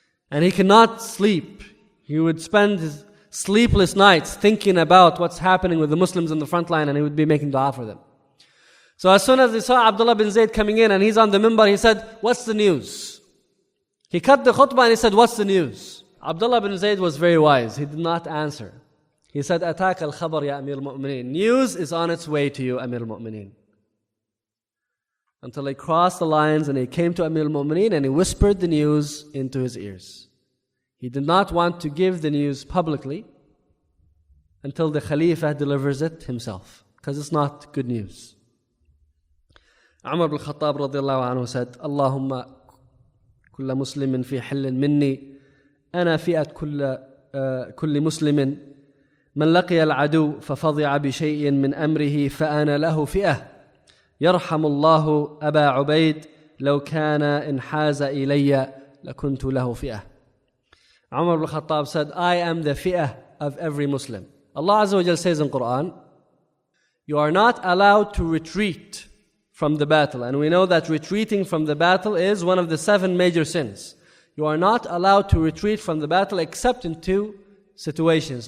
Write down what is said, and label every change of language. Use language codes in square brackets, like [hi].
[en] And he cannot sleep. He would spend his sleepless nights thinking about what's happening with the Muslims on the front line, and he would be making dua for them. So as soon as he saw Abdullah bin Zayd coming in and he's on the minbar, he said, what's the news? He cut the khutbah and he said, what's the news? Abdullah bin Zayd was very wise. He did not answer. He said, [ar] أتاك الخبر يا أمير المؤمنين. [en] News is on its way to you, Amir al-Mu'mineen. Until he crossed the lines and he came to Amir al-Mu'mineen and he whispered the news into his ears. He did not want to give the news publicly until the Khalifa delivers it himself, because it's not good news. Umar bin Khattab radiallahu anhu said, [ar] Allahumma kulla muslimin fi hillin minni, ana fi'at kulli muslimin, من لقي العدو ففضع بشيء من أمره فأنا له فئة يرحم الله أبا عبيد لو كان انحاز إلي لكنت له فئة. [en] عمر بن الخطاب said, I am the fi'ah of every Muslim. Allah Azza wa Jalla says in Quran, you are not allowed to retreat from the battle. And we know that retreating from the battle is one of the seven major sins. You are not allowed to retreat from the battle except in two situations.